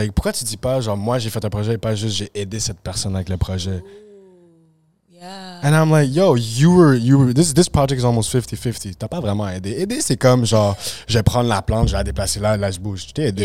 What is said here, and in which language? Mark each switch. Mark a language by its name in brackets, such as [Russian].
[French] Like, pourquoi tu dis pas genre moi j'ai fait un projet et pas juste j'ai aidé cette personne avec le projet? [English] Yeah. And I'm like, yo, you were this project is almost 50-50. [French] T'as pas vraiment aidé. Aider, c'est comme genre, je vais prendre la plante, je vais la déplacer là, je bouge. Je t'ai aidé.